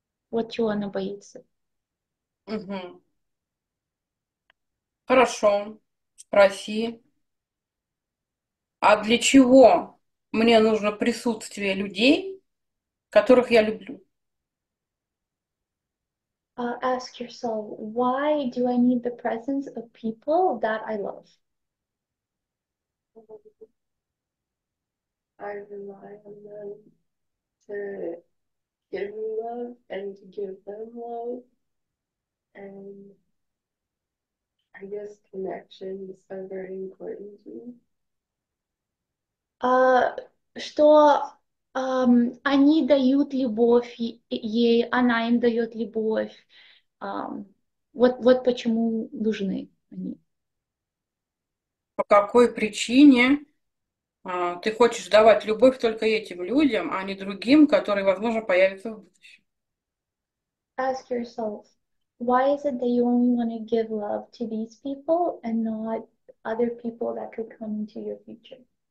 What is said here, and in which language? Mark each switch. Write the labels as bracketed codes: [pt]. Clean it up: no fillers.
[ru] Вот чего она боится. Хорошо, спроси. А для чего мне нужно присутствие людей, которых я люблю? [en] Ask yourself, why do I need the presence of people that I love? I rely on them to give me love and to give them love. And I guess connections are very important to me. [ru] Что они дают любовь ей, она им дает любовь. Вот почему нужны они. По какой причине ты хочешь давать любовь только этим людям, а не другим, которые, возможно, появятся в будущем? [en] Ask yourself, why is it that you only want to give love to these people and not other people that could come into your future?